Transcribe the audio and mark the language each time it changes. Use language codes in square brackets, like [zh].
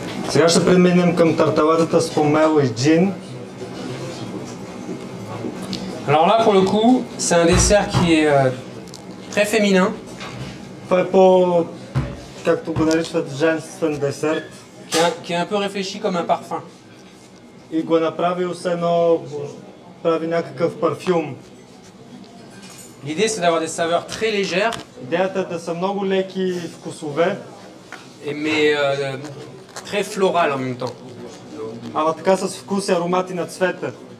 [bg] Сега ще преминем към тарталетата с помело и джин. [fr] Alors là pour le coup, c'est un dessert qui est très féminin. [bg] Това е по, както го наричат, женствен десерт. [fr] Qui est un peu réfléchi comme un parfum. [bg] и го е направил с едно, прави някакъв парфюм. [fr] L'idée c'est d'avoir des saveurs très légères. [bg] Идеята да са много леки вкусове. [fr] Et mais très floral en même temps. [bg] Ама така с вкус и аромати на цвета.